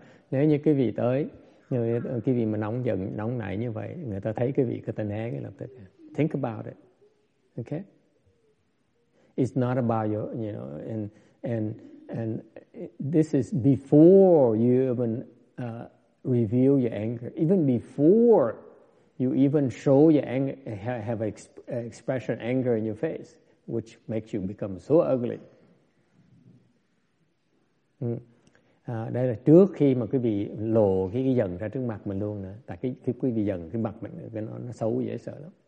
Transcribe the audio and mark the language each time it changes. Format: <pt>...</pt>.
<vi>Nếu như quý vị tới, quý vị mà nóng giận, nóng nảy như vậy, người ta thấy quý vị, người ta né cái lập tức.</vi> <en>Think about it. Okay? It's not about your, you know, and this is before you even reveal your anger, even before you even show your anger, have expression anger in your face, which makes you become so ugly.</en> <vi>Đây là trước khi mà quý vị lộ cái giận ra trước mặt mình luôn nữa. Tại cái quý vị giận cái mặt mình nó xấu dễ sợ lắm.</vi>